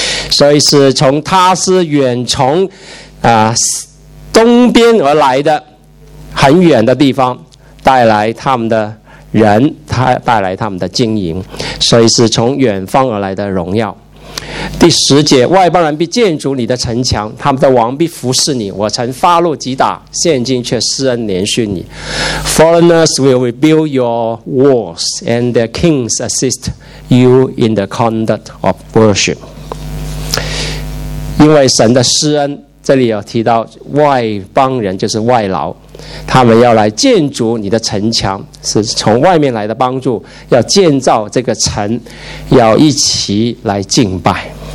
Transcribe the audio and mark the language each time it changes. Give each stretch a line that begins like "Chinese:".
Chinese: 所以是从踏实远从东边而来的很远的地方带来他们的人，他带来他们的金银，所以是从远方而来的荣耀。第十节，外邦人必建筑你的城墙，他们的王必服侍你。我曾发怒击打，现今却施恩怜恤你。
English: Foreigners will rebuild your walls and their kings assist you in the conduct of worship.
Chinese: 因为神的施恩，这里有提到外邦人就是外劳，他们要来建筑你的城墙，是从外面来的帮助，要建造这个城，要一起来敬拜。